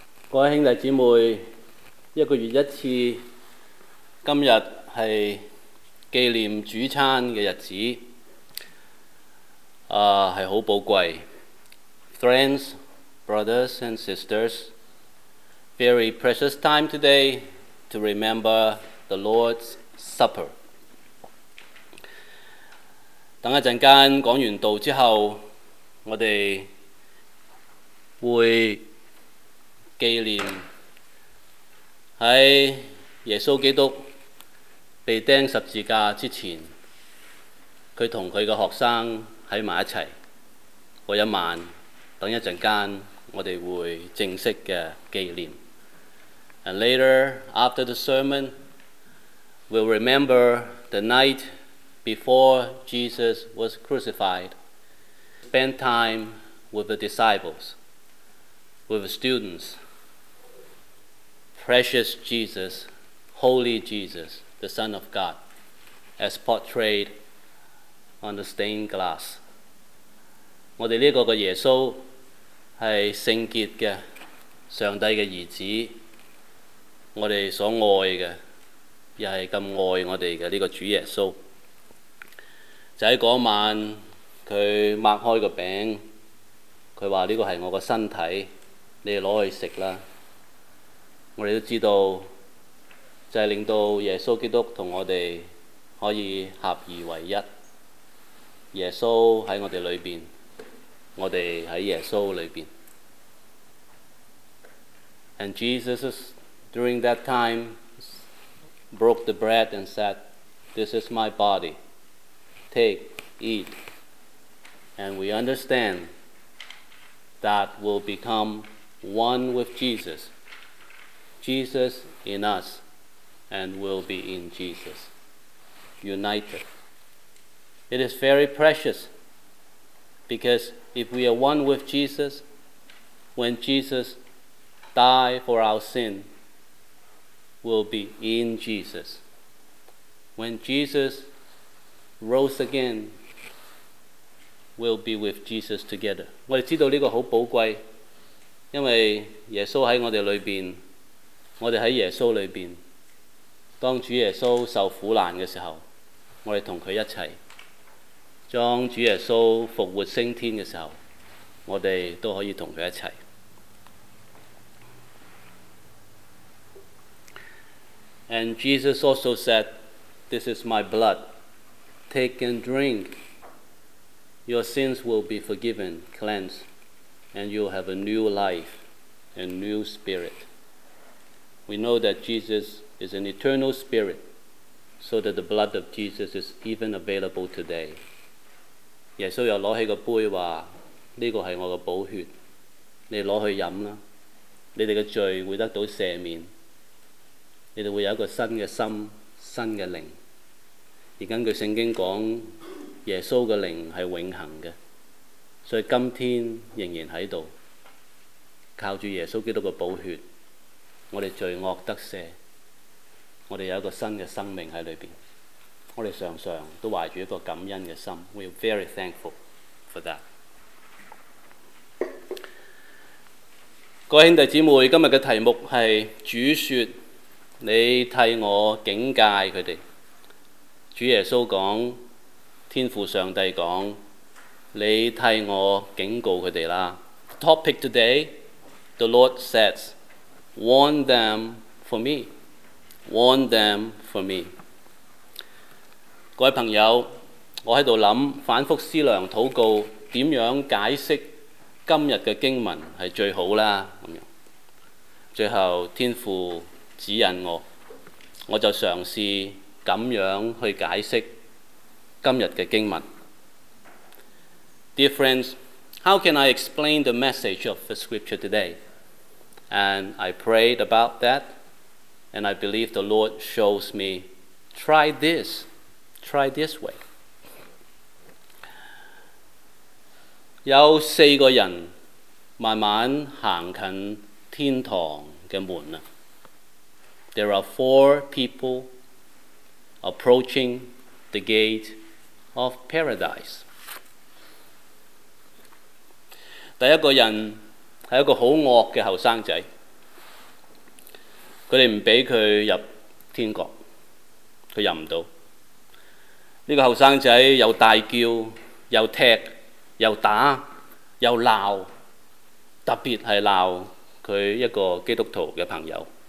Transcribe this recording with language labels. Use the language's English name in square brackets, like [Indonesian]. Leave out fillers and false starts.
[Cantonese] 各位兄弟姐妹，一个月一次，今日是纪念主餐的日子，是很宝贵。 [English] Friends, brothers and sisters, very precious time today to remember the Lord's Supper. [Cantonese] 等一阵间讲完道之后，我们会纪念在耶稣基督被钉十字架之前，他和他的学生在一起那一晚。等一阵间我们会正式的纪念。 [English] And later after the sermon we'll remember the night before Jesus was crucified, spend time with the disciples, with the studentsPrecious Jesus, Holy Jesus, the Son of God, as portrayed on the stained glass. [Cantonese] 我们这个的耶稣是圣洁的上帝的儿子，我们所爱的也是这么爱我们的这个主耶稣。就在那晚他擘开个饼，他说这个是我的身体，你们拿去吃吧。我们都知道，就是令到耶稣基督和我们可以合二为一。耶稣在我们里面，我们在耶稣里面。 [English] And Jesus during that time broke the bread and said, This is my body, take, eat. And we understand that we'll become one with JesusJesus in us, and will be in Jesus, united. It is very precious, because if we are one with Jesus, when Jesus died for our sin, we'll be in Jesus. When Jesus rose again, we'll be with Jesus together. [Cantonese] 我们知道这个很宝贵，因为耶稣在我们里面，我们在耶稣里面，当主耶稣受苦难的时候，我们同他一起；当主耶稣复活升天的时候，我们都可以同他一起。 [English] And Jesus also said, This is my blood, take and drink. Your sins will be forgiven, cleansed, and you'll have a new life and new spirit. We know that Jesus is an eternal spirit, so that the blood of Jesus is even available today. [Cantonese] 耶稣又拿起个杯话：呢个系我嘅宝血，你攞去饮啦，你哋嘅罪会得到赦免，你哋会有一个新嘅心、新嘅灵。而根据圣经讲，耶稣嘅灵系永恒嘅，所以今天仍然喺度，靠住耶稣基督嘅宝血，我哋罪恶得赦，我哋有一个新嘅生命喺里边。我们常常都怀着一个感恩的心， [English] We are very thankful for that. [Cantonese] 各位兄弟姊妹，今天的题目是主说你替我警戒他们。主耶稣说，天父上帝说，你替我警告他们。 [English] The topic today, the Lord says, warn them for me. Warn them for me. [Cantonese] 各位朋友，我在想反复思量祷告怎样解释今天的经文是最好啦。最后天父指引我，我就尝试这样去解释今天的经文。 [English] Dear friends, how can I explain the message of the scripture today? And I prayed about that, and I believe the Lord shows me, try this way. [Cantonese] 有四个人慢慢行近天堂的门。 [English] There are four people approaching the gate of paradise. [Cantonese] 第一个人是一个很恶的后生仔，他们不让他入天国，他入不到。这个后生仔又大叫又踢又打又闹，特别是闹他一个基督徒的朋友。